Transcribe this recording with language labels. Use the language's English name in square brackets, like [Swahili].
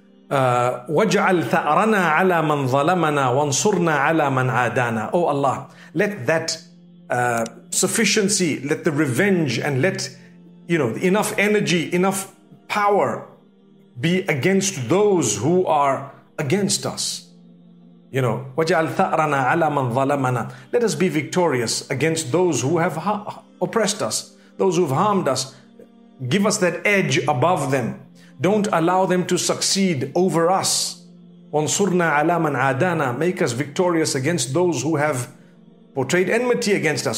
[Arabic] وَجْعَلْ ثَأْرَنَا عَلَى مَنْ ظَلَمَنَا وَانْصُرْنَا عَلَى مَنْ عَادَانَا. [English] Oh Allah, let that sufficiency, let the revenge, and let, you know, enough energy, enough power be against those who are against us. You know, [Arabic] وَجْعَلْ ثَأْرَنَا عَلَى مَنْ ظَلَمَنَا. [English] Let us be victorious against those who have oppressed us, those who've harmed us. Give us that edge above them. Don't allow them to succeed over us. [Arabic] وَانْصُرْنَا عَلَى مَنْ عَادَانَا. [English] Make us victorious against those who have portrayed enmity against us.